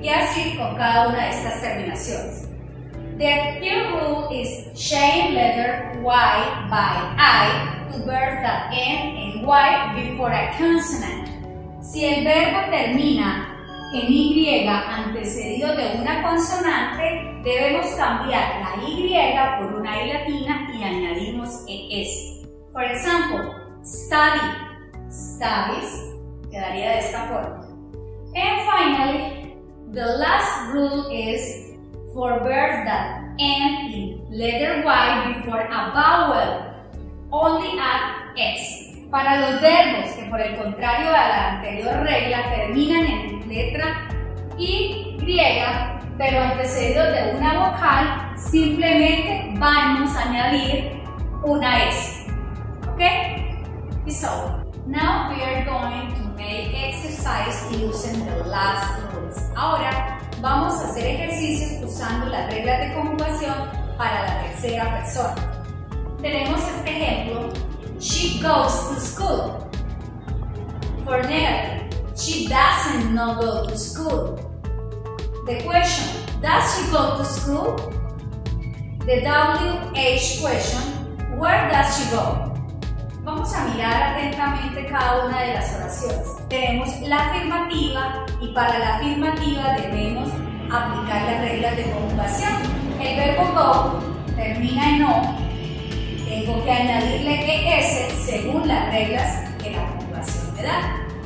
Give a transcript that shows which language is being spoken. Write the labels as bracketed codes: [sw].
[es] Y así con cada una de estas terminaciones. [en] The third rule is change letter Y by I to verbs that end in Y before a consonant. [es] Si el verbo termina en Y antecedido de una consonante, debemos cambiar la Y por una I latina y añadimos ES. Por ejemplo, study, studies, quedaría de esta forma. [en] And finally, the last rule is for verbs that end in letter Y before a vowel, only add S. [es] Para los verbos que por el contrario a la anterior regla terminan en letra Y, pero antecedidos de una vocal, simplemente vamos a añadir una S. [en] Okay, so now we are going to make exercise using the last rules. [es] Ahora vamos a hacer ejercicios usando las reglas de conjugación para la tercera persona. Tenemos este ejemplo: [en] she goes to school. For negative, she doesn't not go to school. The question: does she go to school? The WH question. Where does she go? [es] Vamos a mirar atentamente cada una de las oraciones. Tenemos la afirmativa y para la afirmativa debemos aplicar las reglas de conjugación. El verbo go termina en o. Tengo que añadirle es según las reglas que la conjugación me da.